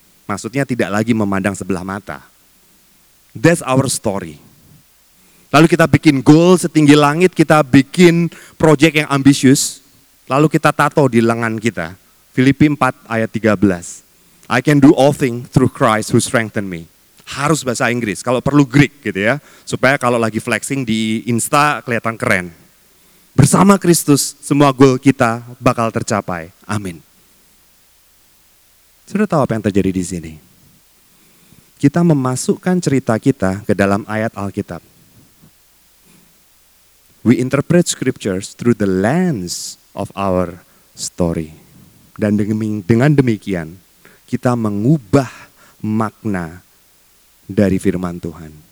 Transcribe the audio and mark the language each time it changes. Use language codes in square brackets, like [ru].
[id] Maksudnya tidak lagi memandang sebelah mata. [en] That's our story. [id] Lalu kita bikin goal setinggi langit, kita bikin proyek yang ambisius. Lalu kita tato di lengan kita. Filipi 4 ayat 13. [en] I can do all things through Christ who strengthen me. [id] Harus bahasa Inggris, kalau perlu Greek gitu ya. Supaya kalau lagi flexing di Insta kelihatan keren. Bersama Kristus, semua goal kita bakal tercapai. Amin. Sudah tahu apa yang terjadi di sini? Kita memasukkan cerita kita ke dalam ayat Alkitab. [en] We interpret scriptures through the lens of our story. [id] Dan dengan demikian, kita mengubah makna dari firman Tuhan.